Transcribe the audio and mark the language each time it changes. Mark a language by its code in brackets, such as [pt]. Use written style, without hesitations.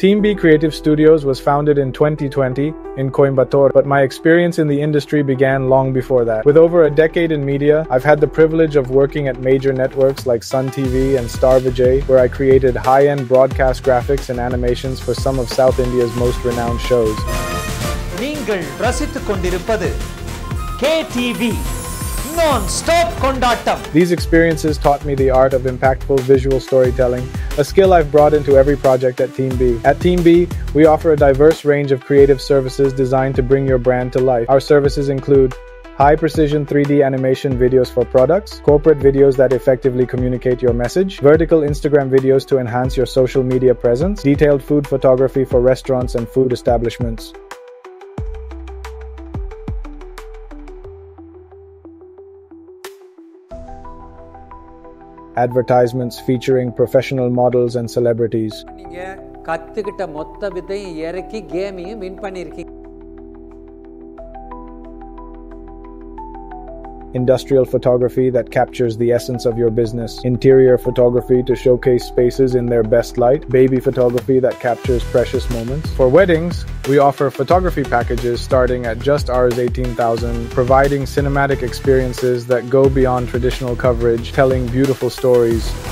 [en] Team B Creative Studios was founded in 2020 in Coimbatore, but my experience in the industry began long before that. With over a decade in media, I've had the privilege of working at major networks like Sun TV and Star Vijay, where I created high-end broadcast graphics and animations for some of South India's most renowned shows. [ta] நீங்கள் ரசித்துக் கொண்டிருப்பது KTV non-stop கொண்டாட்டம். [en] These experiences taught me the art of impactful visual storytelling, a skill I've brought into every project at Team B. At Team B, we offer a diverse range of creative services designed to bring your brand to life. Our services include high precision 3D animation videos for products, corporate videos that effectively communicate your message, vertical Instagram videos to enhance your social media presence, detailed food photography for restaurants and food establishments. Advertisements featuring professional models and celebrities. [ta] நீங்க கத்துக்கிட்ட மொத்த விதையும் இறக்கி கேமையும் win பண்ணிருக்கீங்க. [en] Industrial photography that captures the essence of your business. Interior photography to showcase spaces in their best light. Baby photography that captures precious moments. For weddings, we offer photography packages starting at just ₹18,000, providing cinematic experiences that go beyond traditional coverage, telling beautiful stories.